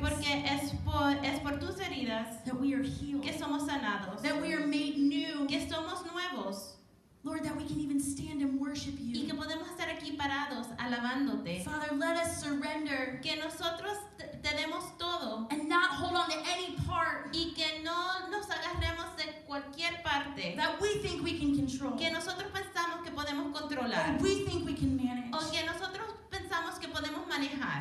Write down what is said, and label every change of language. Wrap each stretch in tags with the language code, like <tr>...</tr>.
<es>porque es por tus heridas,</es> <en>that we are healed,</en> <es>que somos sanados,</es> <en>that we are made new,</en> <es>que somos nuevos.</es> <en>Lord, that we can even stand and worship you.</en> <es>Y que podemos estar aquí parados alabándote.</es> <en>Father, let us surrender.</en> <es>Que nosotros te demos todo.</es> <en>And not hold on to any part.</en> <es>Y que no nos agarremos de cualquier parte.</es> <en>That we think we can control.</en> <es>Que nosotros pensamos que podemos controlar.</es> <en>That we think we can manage.</en> <es>O que nosotros pensamos que podemos manejar.</es>